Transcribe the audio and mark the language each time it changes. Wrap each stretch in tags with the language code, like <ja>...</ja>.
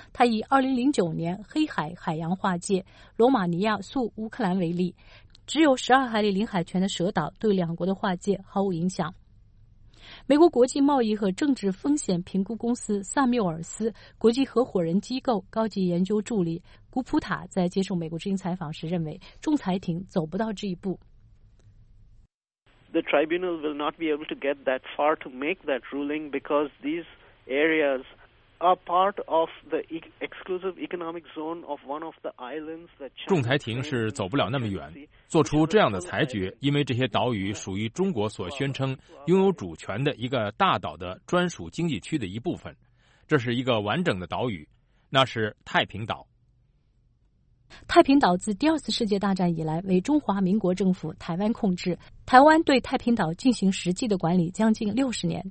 <zh>他以2009年黑海海洋划界罗马尼亚诉乌克兰为例，只有12海里领海权的蛇岛对两国的划界毫无影响。美国国际贸易和政治风险评估公司萨缪尔斯国际合伙人机构高级研究助理古普塔在接受美国之音采访时认为，仲裁庭走不到这一步。</zh> <en>The tribunal will not be able to get that far to make that ruling because these areas are part of the exclusive economic zone of one of the islands that China.</en> <zh>仲裁庭是走不了那么远，做出这样的裁决，因为这些岛屿属于中国所宣称拥有主权的一个大岛的专属经济区的一部分，这是一个完整的岛屿，那是太平岛。太平岛自第二次世界大战以来为中华民国政府台湾控制，台湾对太平岛进行实际的管理将近60年。</zh>